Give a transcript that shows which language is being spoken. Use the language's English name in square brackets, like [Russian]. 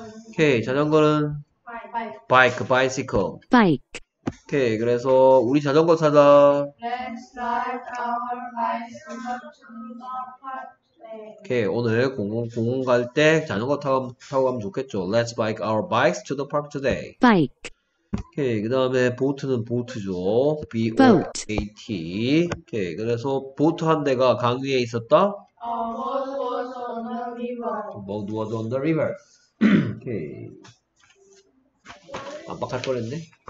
[Korean] 오케이. 자전거는 [English] bike. Bike. Bicycle. Bike. [Korean] 오케이. 그래서 우리 자전거 타자. [English] Let's ride our bicycle to the park. [Korean] 오케이. 오늘 공원 갈 때 자전거 타고 가면 좋겠죠. [English] Let's bike our bikes to the park today. Bike. [Korean] 오케이. 그 다음에 보트는 보트죠. [English] Boat. B-O-A-T. [Korean] 오케이. 그래서 보트 한 대가 강 위에 있었다? [English] A boat was on the river. A boat was on the river. [Korean] 오케이. 깜빡할 뻔했네.